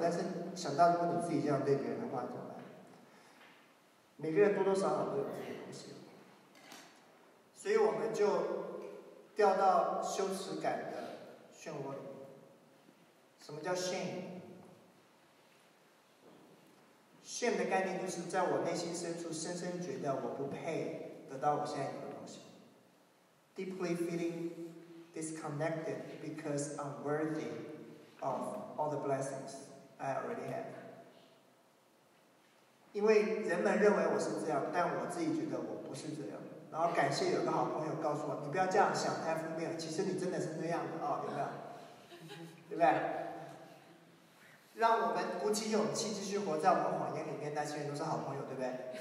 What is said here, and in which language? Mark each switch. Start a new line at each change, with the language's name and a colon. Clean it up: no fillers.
Chinese: 但是想到如果你自己这样对别人的话，怎么办？每个人多多少少都有这些东西，所以我们就掉到羞耻感的漩涡里。什么叫 shame？ shame 的概念就是在我内心深处深深觉得我不配得到我现在有的东西。
English: Deeply feeling disconnected because unworthy of all the blessings I already have.
Chinese: 因为人们认为我是这样，但我自己觉得我不是这样。然后感谢有个好朋友告诉我，你不要这样想太负面了，其实你真的是这样的，哦，有没有？对不对？让我们鼓起勇气继续活在我们谎言里面，那些人都是好朋友，对不对？